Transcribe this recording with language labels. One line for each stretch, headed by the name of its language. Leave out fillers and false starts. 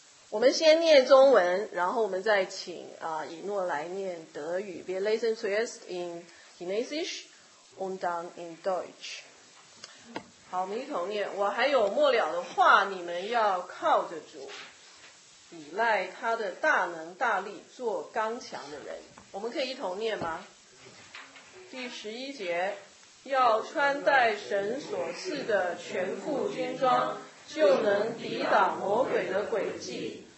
Chinese: 我们先念中文，然后我们再请以诺来念德语。
German: Wir lesen zuerst in Chinesisch und dann in Deutsch。
Chinese: 好，我们一同念。我还有末了的话，你们要靠着主，依赖他的大能大力，做刚强的人。我们可以一同念吗？第十一节，要穿戴神所赐的全副军装，就能抵挡魔鬼的诡计。